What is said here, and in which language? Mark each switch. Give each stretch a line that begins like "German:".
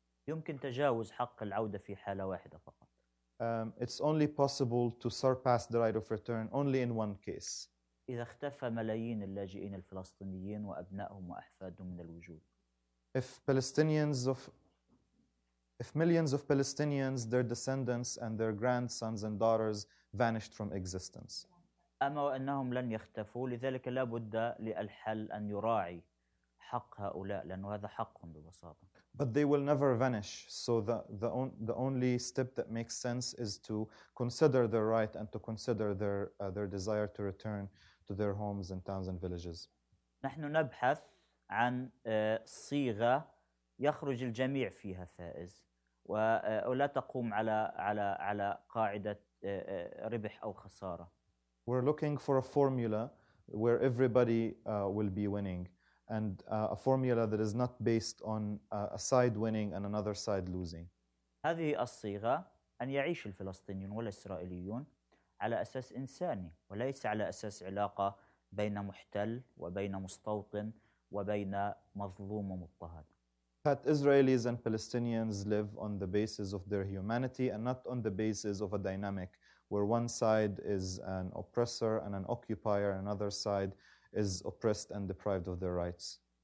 Arabic: يمكن تجاوز حق العودة في حالة واحدة فقط.
English: It's only possible to surpass the right of return only in one case.
Arabic: إذا اختفى ملايين اللاجئين الفلسطينيين وأبنائهم وأحفادهم من الوجود.
English: If millions of Palestinians, their descendants, and their grandsons and daughters vanished from existence.
Arabic: أما وأنهم لن يختفوا، لذلك لا بد للحل أن يراعي حق هؤلاء، لأنه هذا حقهم ببساطة.
English: But they will never vanish. So the only step that makes sense is to consider their right and to consider their desire to return to their homes and towns and villages.
Arabic: نحن نبحث عن صيغة يخرج الجميع فيها فائز ولا تقوم على على على قاعدة ربح أو خسارة.
English: We're looking for a formula where everybody will be winning, and a formula that is not based on a side winning and another side losing.
Arabic: هذه الصيغة أن يعيش الفلسطينيون والإسرائيليون على أساس إنساني وليس على أساس علاقة بين محتل وبين مستوطن وبين مظلوم ومضطهد.
English: That Israelis and Palestinians live on the basis of their humanity and not on the basis of a dynamic where one side is an oppressor and an occupier and another side is oppressed and deprived of their rights.